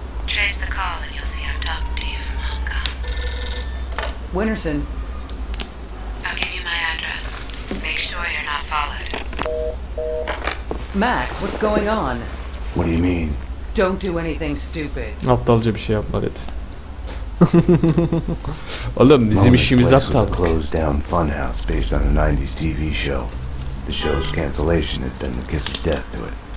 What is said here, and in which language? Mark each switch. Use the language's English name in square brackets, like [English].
[English] Trace the call and you'll see I'm talking to you from Hong Kong. Winterson. I'll give you my address. Make sure you're not followed. Max, what's going on? What do you mean? Don't do anything stupid. [Turkish] Aptalca bir şey yapma dedi. Oğlum bizim işimiz aptal. [English] Closed down funhouse based on a 90s TV show. The show's cancellation had done the kiss of death to it.